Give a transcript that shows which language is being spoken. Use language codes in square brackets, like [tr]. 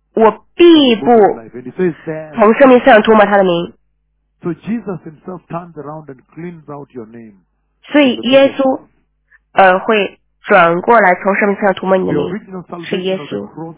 [zh] 我必不从生命册上涂抹他的名。 [en] So Jesus himself turns around and cleans out your name. [zh] 所以耶稣会转过来从生命册上涂抹你的名，是耶稣。